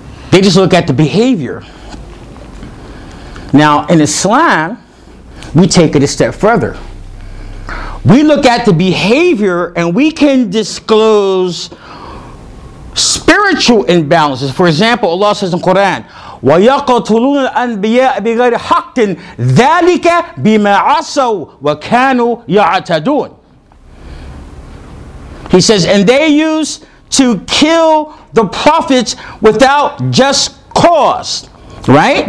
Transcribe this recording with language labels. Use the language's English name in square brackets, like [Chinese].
[English] They just look at the behavior. Now, in Islam, we take it a step further. We look at the behavior and we can disclose spiritual imbalances. For example, Allah says in the Quran, [Arabic] وَيَقَتُلُونَ الْأَنْبِيَاءَ بِغَيْرِ حَقٍ ذَلِكَ بِمَا عَصَوْا وَكَانُوا يَعْتَدُونَ. [English] He says, and they used to kill the prophets without just cause. Right?